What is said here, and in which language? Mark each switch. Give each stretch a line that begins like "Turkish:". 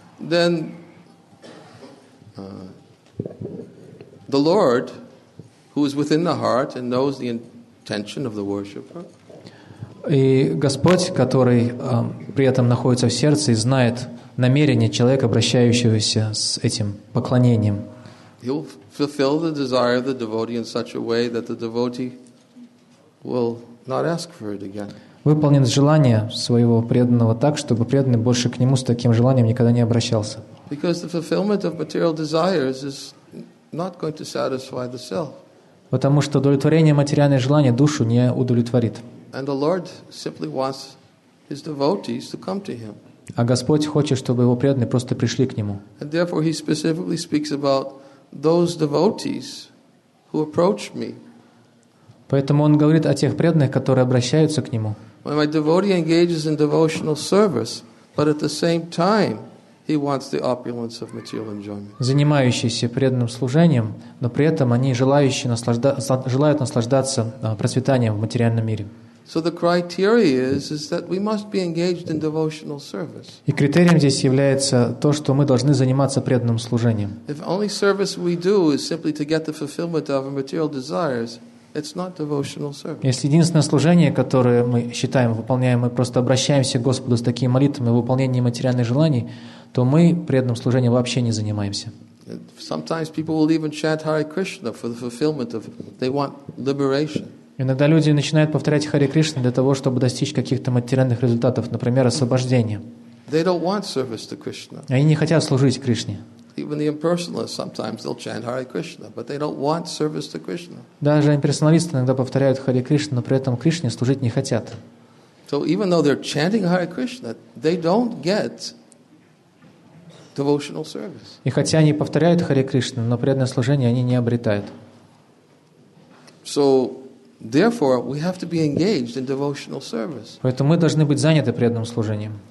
English: Then, the Lord, who is within the heart and knows the intention of the worshipper,
Russian: и Господь, который при этом находится в сердце и знает намерение человека, обращающегося с этим поклонением,
English: he'll fulfill the desire of the devotee in such a way that the devotee will not ask for it again.
Russian: Выполнит желание своего преданного так, чтобы преданный больше к нему с таким желанием никогда не обращался.
English: Because the fulfillment of material desires is not going to satisfy the self.
Russian: Потому что удовлетворение материальных желаний душу не удовлетворит.
English: And the Lord simply wants his devotees to come to him.
Russian: А Господь хочет, чтобы его преданные просто пришли к нему.
English: And therefore he specifically speaks about those devotees who approach me.
Russian: Поэтому он говорит о тех преданных, которые обращаются к нему.
English: When my devotee engages in devotional service, but at the same time he wants the opulence of material enjoyment.
Russian: Занимающиеся преданным служением, но при этом они желают наслаждаться процветанием в материальном мире.
English: So the criteria is that we must be engaged in devotional service.
Russian: И критерием здесь является то, что мы должны заниматься преданным служением.
English: If only service we do is simply to get the fulfillment of our material desires, it's not devotional service.
Russian: Если единственное служение, которое мы считаем выполняем, мы просто обращаемся к Господу с такими молитвами, выполнением материальных желаний, то мы преданным служением вообще не занимаемся.
English: Sometimes people will even chant Hare Krishna for the fulfillment of, they want liberation.
Russian: Иногда люди начинают повторять Харе Кришна для того, чтобы достичь каких-то материальных результатов, например, освобождения.
English: They don't want service to Krishna.
Russian: Они не хотят служить Кришне.
English: Even the impersonalists sometimes they'll chant Hare Krishna, but they don't want service to Krishna.
Russian: Даже имперсоналисты иногда повторяют Харе Кришна, но при этом Кришне служить не хотят.
English: So even though they're chanting Hare Krishna, they don't get devotional service.
Russian: И хотя они повторяют Харе Кришна, но преданное служение они не обретают.
English: So, therefore, we have to be engaged in devotional service.
Russian: Поэтому мы должны быть заняты преданным служением.